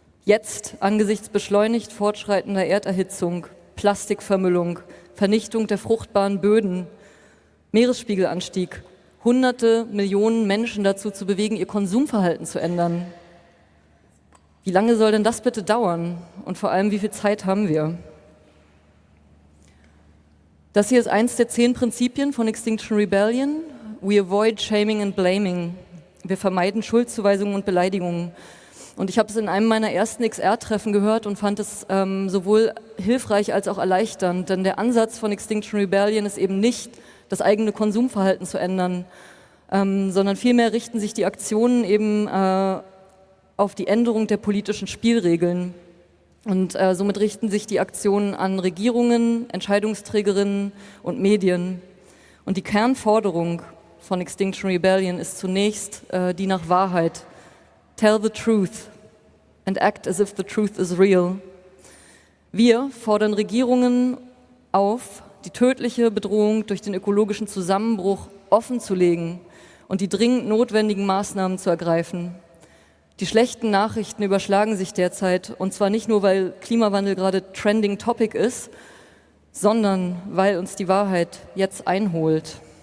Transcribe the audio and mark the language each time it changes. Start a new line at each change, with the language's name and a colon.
German: jetzt angesichts beschleunigt fortschreitender Erderhitzung, Plastikvermüllung, Vernichtung der fruchtbaren Böden, Meeresspiegelanstieg, hunderte Millionen Menschen dazu zu bewegen, ihr Konsumverhalten zu ändern. Wie lange soll denn das bitte dauern? Und vor allem, wie viel Zeit haben wir? Das hier ist eins der 10 Prinzipien von Extinction Rebellion.
English: We avoid shaming and blaming.
German: Wir vermeiden Schuldzuweisungen und Beleidigungen. Und ich habe es in einem meiner ersten XR-Treffen gehört und fand es sowohl hilfreich als auch erleichternd. Denn der Ansatz von Extinction Rebellion ist eben nicht, das eigene Konsumverhalten zu ändern, sondern vielmehr richten sich die Aktionen eben auf die Änderung der politischen Spielregeln. Und somit richten sich die Aktionen an Regierungen, Entscheidungsträgerinnen und Medien. Und die Kernforderung von Extinction Rebellion ist zunächst die nach Wahrheit.
English: Tell the truth and act as if the truth is real.
German: Wir fordern Regierungen auf, die tödliche Bedrohung durch den ökologischen Zusammenbruch offenzulegen und die dringend notwendigen Maßnahmen zu ergreifen. Die schlechten Nachrichten überschlagen sich derzeit, und zwar nicht nur, weil Klimawandel gerade Trending Topic ist, sondern weil uns die Wahrheit jetzt einholt.